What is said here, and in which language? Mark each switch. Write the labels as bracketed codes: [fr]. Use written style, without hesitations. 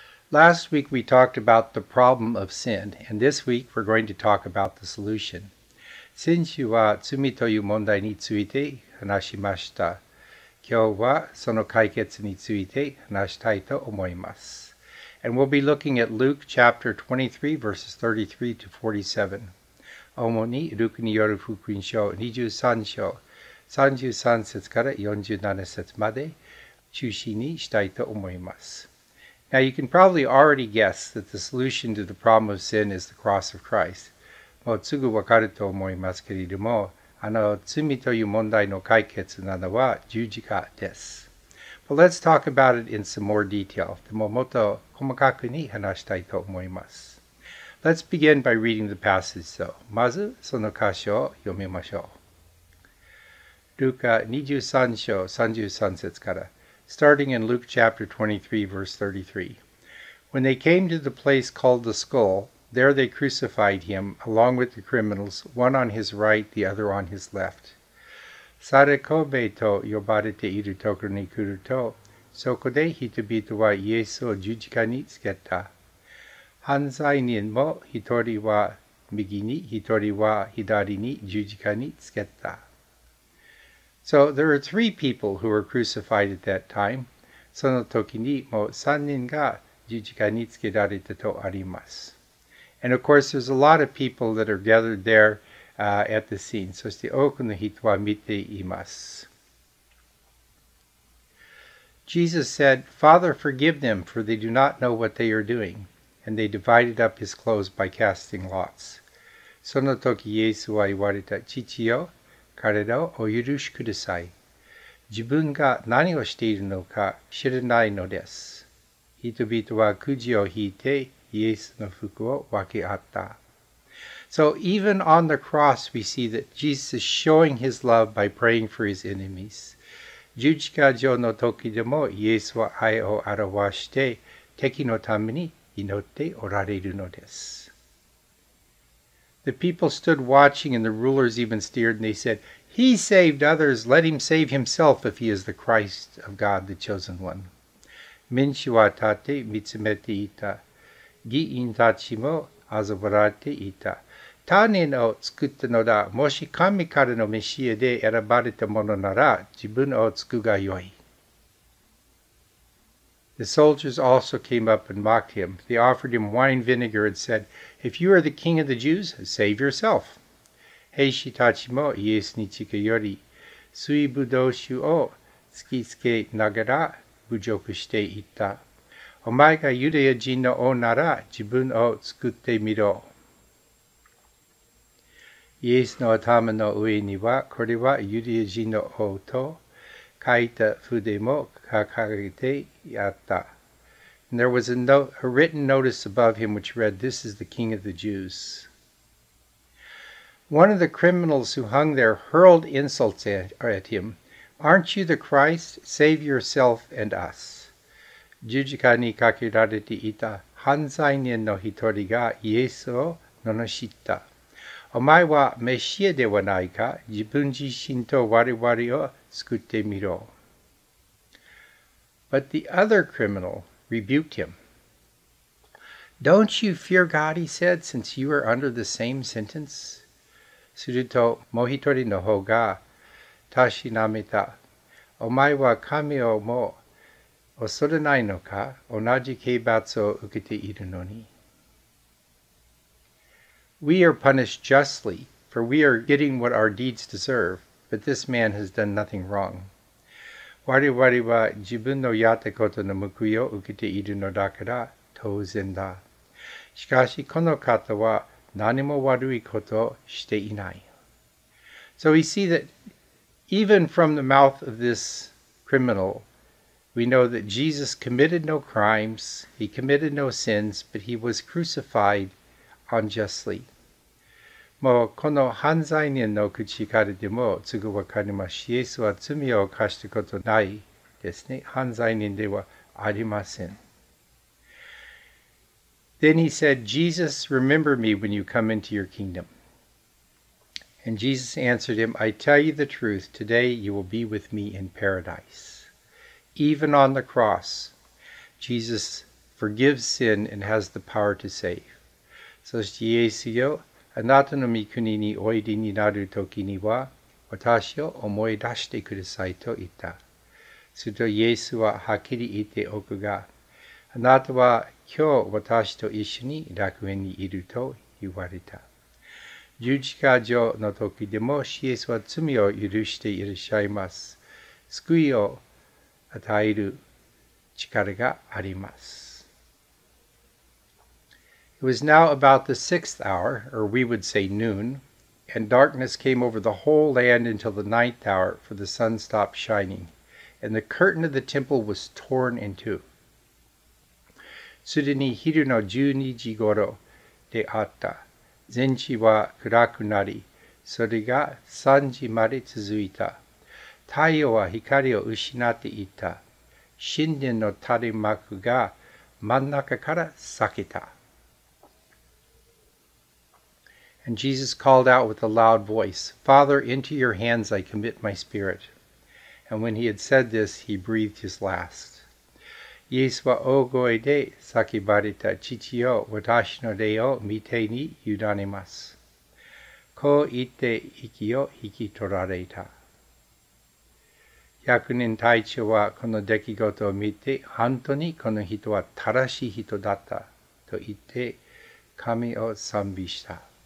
[en] Last week we talked about the problem of sin, and this week we're going to talk about the solution. [ja] 先週は罪という問題について話しました。今日はその解決について話したいと思います。 [en] And we'll be looking at Luke chapter 23 verses 33 to 47. [ja] 主にルクによる福音書23章33節から47節まで中心にしたいと思います。 [en] Now you can probably already guess that the solution to the problem of sin is the cross of Christ. [ja] もうすぐわかると思いますけれども、あの罪という問題の解決なのは十字架です。 [en] But let's talk about it in some more detail. [ja] でももっと細かくに話したいと思います。 [en] Let's begin by reading the passage though. [ja] まずその箇所を読みましょう。ルカ23章33節から。 [en] Starting in Luke chapter 23, verse 33. When they came to the place called the Skull, there they crucified him, along with the criminals, one on his right, the other on his left. [ja] サレコベと呼ばれているところに来ると、そこで人々はイエスを十字架につけた。犯罪人も一人は右に、一人は左に十字架につけた。 [en] So there are three people who were crucified at that time. [ja] その時にもう三人が十字架につけられたとあります。 [en] And of course, there's a lot of people that are gathered there, at the scene. [ja] そして多くの人は見ています。 [en] Jesus said, Father, forgive them, for they do not know what they are doing. And they divided up his clothes by casting lots. [ja] その時イエスは言われた、父よ。彼らをお許しください。自分が何をしているのか知らないのです。人々はくじを引いてイエスの服を分け合った。 [en] So even on the cross we see that Jesus is showing his love by praying for his enemies. [ja] 十字架上の時でもイエスは愛を表して敵のために祈っておられるのです。 [en] The people stood watching and the rulers even sneered and they said, He saved others, let him save himself if he is the Christ of God, the chosen one. [ja] 民衆は立って見つめていた。議員たちも嘲笑っていた。他人を作ったのだ。もし神からのメシアで選ばれたものなら自分を作るがよい。 [en] The soldiers also came up and mocked him. They offered him wine vinegar and said, If you are the king of the Jews, save yourself. [ja] 兵士たちもイエスに近寄り、水ぶどう酒を突きつけながら侮辱していた。お前がユダヤ人の王なら自分を作ってみろ。イエスの頭の上には、これはユダヤ人の王と書いた筆も掲げてやった。 [en] And there was a written notice above him which read, This is the King of the Jews. One of the criminals who hung there hurled insults at him. Aren't you the Christ? Save yourself and us. [ja] 十字架にかけられていた犯罪人の一人がイエスを罵った。お前はメシアではないか。自分自身と我々を救ってみろ。 [en] But the other criminal rebuked him. Don't you fear God, he said, since you are under the same sentence? [ja] すると、もう一人の方が、たしなめた。お前は神をもう恐れないのか、同じ刑罰を受けているのに。 [en] We are punished justly, for we are getting what our deeds deserve, but this man has done nothing wrong. [ja] 我々は自分のやったことの報いを受けているのだから当然だ。しかしこの方は何も悪いことをしていない。 [en] So we see that even from the mouth of this criminal, we know that Jesus committed no crimes, he committed no sins, but he was crucified unjustly. [ja] もうこの犯罪人の口からでもすぐわかります。イエスは罪を犯したことないですね。犯罪人ではありません。 [en] Then he said, Jesus, remember me when you come into your kingdom. And Jesus answered him, I tell you the truth, today you will be with me in paradise. Even on the cross, Jesus forgives sin and has the power to save. [ja] そしてイエスよ、あなたの御国においでになるときには、私を思い出してくださいと言った。するとイエスははっきり言っておくが、あなたは今日私と一緒に楽園にいると言われた。十字架上の時でも、イエスは罪を許していらっしゃいます。救いを与える力があります。 [en] It was now about the sixth hour, or we would say noon, and darkness came over the whole land until the ninth hour, for the sun stopped shining, and the curtain of the temple was torn in two. [ja] すでに昼の十二時頃であった。全地は暗くなり、それが三時まで続いた。太陽は光を失っていた。神殿の垂れ幕が真ん中から裂けた。 [en] And Jesus called out with a loud voice, Father, into your hands I commit my spirit. And when he had said this, he breathed his last. [ja] イエスは大声で叫ばれた、父よ、私の霊を御手に委ねます。こう言って息を引き取られた。役人隊長はこの出来事を見て、本当にこの人は正しい人だったと言って、神を賛美した。